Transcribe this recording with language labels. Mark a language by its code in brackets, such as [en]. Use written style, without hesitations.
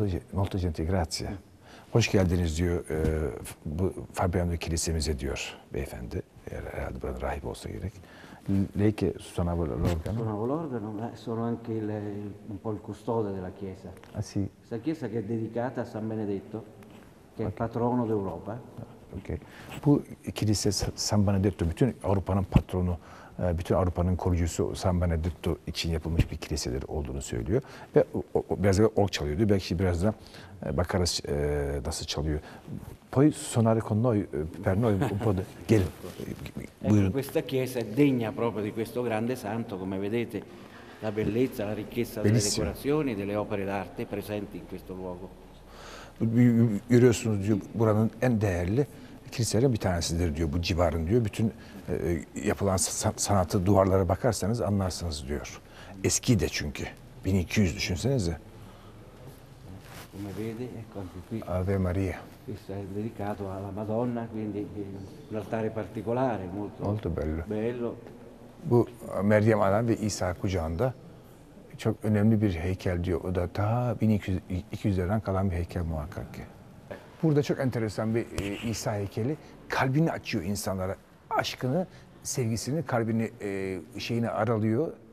[it] Molto gentile, grazie. [tr] Hoş geldiniz diyor bu Fabriano kilisemize diyor beyefendi. Herhalde buranın rahibi olsa gerek. [it] Lei che suonava l'organo? Suonavo l'organo, ma sono anche il, un po' il custode della chiesa. Ah sì? Questa chiesa che è dedicata a San Benedetto, che okay. È patrono d'Europa. Ok. [tr] Bu kilise San Benedetto, bütün Avrupa'nın patronu, bütün Avrupa'nın koruyucusu San Benedetto için yapılmış bir kilisedir olduğunu söylüyor. Ve biraz da org çalıyor diyor. Belki birazdan bakarız nasıl çalıyor. [it] Poi suonare con noi per noi un po' di [tr] buyurun. [it] Questa chiesa è degna proprio di questo grande santo, come vedete la bellezza, la ricchezza delle decorazioni, delle opere d'arte presenti in questo luogo. [tr] yürüyorsunuz diyor, buranın en değerli kiliselerin bir tanesidir diyor bu civarın diyor. Bütün yapılan sanatı duvarlara bakarsanız anlarsınız diyor. Eski de çünkü. 1200 düşünsenize. [it] Come vede, ecco qui. Ave Maria. Questo è dedicato alla Madonna, quindi un altare particolare, molto, molto bello. Bello. [tr] Bu Meryem Ana ve İsa kucağında çok önemli bir heykel diyor. O da ta 1200'lerden kalan bir heykel muhakkak ki. Burada çok enteresan bir İsa heykeli. Kalbini açıyor insanlara. Aşkını, sevgisini, kalbini şeyini aralıyor.